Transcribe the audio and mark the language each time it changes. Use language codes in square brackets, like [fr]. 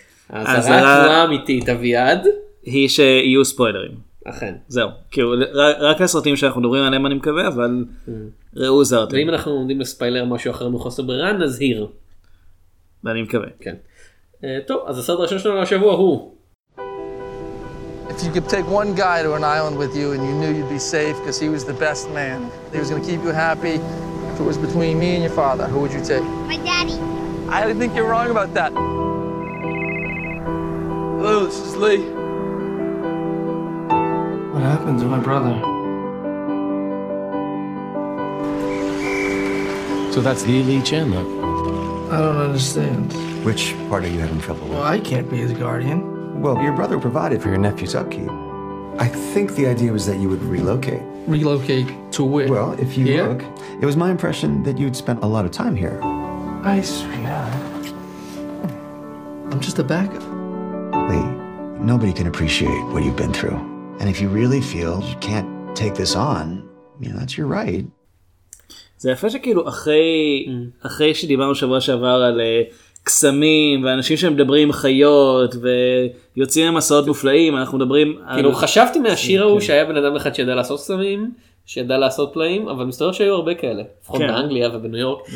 [he] העזרה הקבועה אמיתית, אביעד. היא שיהיו ספוילרים. אכן. זהו. כאילו, רק הסרטים שאנחנו מדברים עליהם אני מקווה, אבל ראו זרתם. ואם אנחנו עומדים לספיילר משהו אחר מחוסר ברירה, נזהיר. ואני מקווה. כן. טוב, אז הסרט הראשון שלנו השבוע הוא. [en] If you could take one guy to an island with you and you knew you'd be safe because he was the best man, he was going to keep you happy, if it was between me and your father, who would you take? My daddy. I don't think you're wrong about that. Hello, this is Lee. What happened to my brother? So that's Lee Lee Chen, huh? I don't understand. Which part are you having trouble with? Well, I can't be his guardian. Well, your brother provided for your nephew's upkeep. I think the idea was that you would relocate. Relocate to where? Well, if you look, it was my impression that you'd spent a lot of time here. I swear. I'm just a backup. Lee, nobody can appreciate what you've been through. And if you really feel you can't take this on, you know, that's your right. [he] זה יפה שכאילו אחרי שדיברנו שבוע שעבר על קסמים ואנשים שמדברים חיות ויוצאים למסעות מופלאים, אנחנו מדברים כאילו חשבתי מהשיר ההוא שהיה בן אדם אחד שידע לעשות קסמים, שידע לעשות פלאים, אבל מסתבר שהיו הרבה כאלה, לפחות באנגליה ובניו יורק.